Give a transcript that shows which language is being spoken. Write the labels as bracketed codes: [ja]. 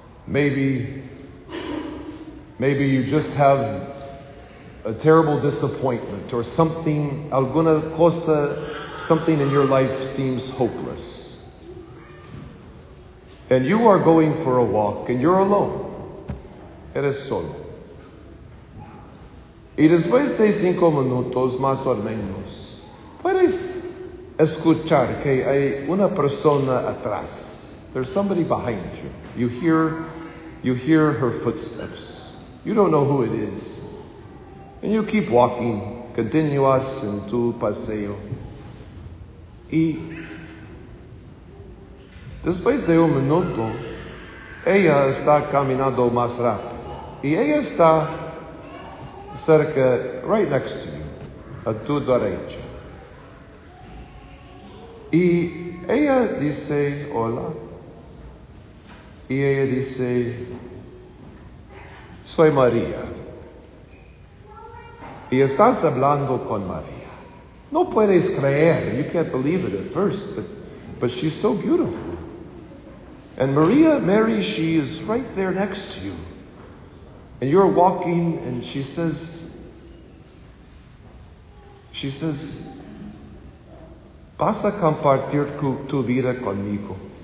[en] Maybe you just have a terrible disappointment or something, [es] alguna cosa, [en] something in your life seems hopeless. And you are going for a walk and you're alone. [es] Eres solo. Y después de 5 minutos, más o menos, puedes escuchar que hay una persona atrás. [en] There's somebody behind you. You hear her footsteps. You don't know who it is. And you keep walking. [es] Continuas en tu paseo. Y después de 1 minuto, ella está caminando más rápido. Y ella está cerca, [en] right next to you, [es] a tu derecha. Y ella dice hola, y ella dice, soy María. Y estás hablando con María. No puedes creer, [en] you can't believe it at first, but she's so beautiful. And Maria, Mary, she is right there next to you. And you're walking, and she says, [es] vas a compartir tu vida conmigo.